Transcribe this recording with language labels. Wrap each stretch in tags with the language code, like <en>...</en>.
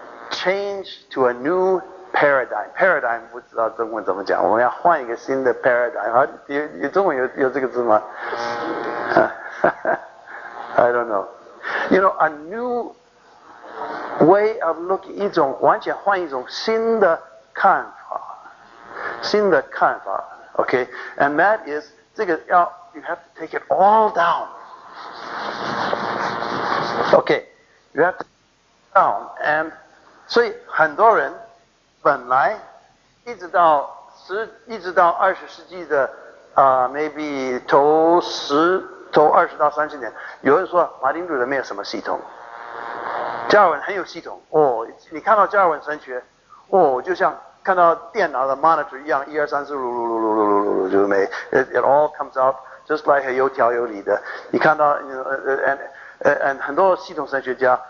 <zh>Change to a new paradigm. Paradigm 不知道中文怎么讲，我们要换一个新的 paradigm。啊，有中文有这个字吗？ I don't know.</zh> <en>You know, a new way of looking，一种完全换一种新的看法，新的看法。 Okay, and that is 这个要 you have to take it all down. Okay, you have to take it down and。</en> <zh>所以很多人本来一直到二十世纪的maybe 头二十到三十年，有人说马丁路德没有什么系统，加尔文很有系统哦，你看到加尔文神学哦，就像看到电脑的 monitor 一样，一二三四噜噜噜噜噜噜噜噜，就没 it all comes out just like 有条有理的，你看到and 很多系统神学家。</zh>